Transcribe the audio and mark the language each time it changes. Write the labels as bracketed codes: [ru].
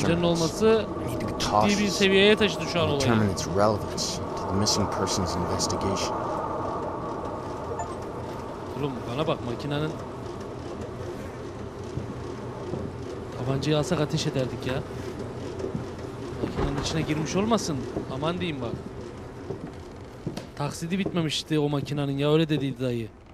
[tr] Tabancanın olması ciddi bir seviyeye taşıdı şu an olayı. [en] Determine its relevance to the missing person's investigation. [tr] Oğlum bana bak, makinenin tabancayı alsak ateş ederdik ya. Makinenin içine girmiş olmasın. Aman diyeyim bak. Taksidi bitmemişti o makinenin ya, öyle dediydi dayı.